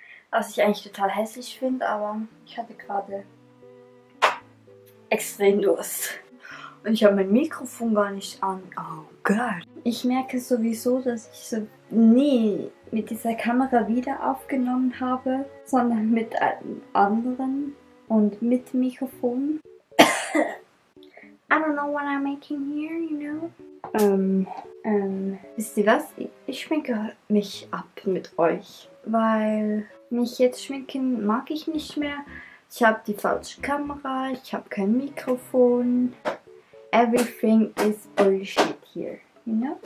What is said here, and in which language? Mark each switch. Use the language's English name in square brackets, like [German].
[German] Was ich eigentlich total hässlich finde, aber ich hatte gerade extrem Durst. Und ich habe mein Mikrofon gar nicht an. Oh Gott. Ich merke sowieso, dass ich so nie mit dieser Kamera wieder aufgenommen habe, sondern mit einem anderen und mit Mikrofon. [English] I don't know what I'm making here, you know? [German] Wisst ihr was? Ich schminke mich ab mit euch. Weil mich jetzt schminken mag ich nicht mehr. Ich habe die falsche Kamera, ich habe kein Mikrofon. [English] Everything is bullshit here, you know?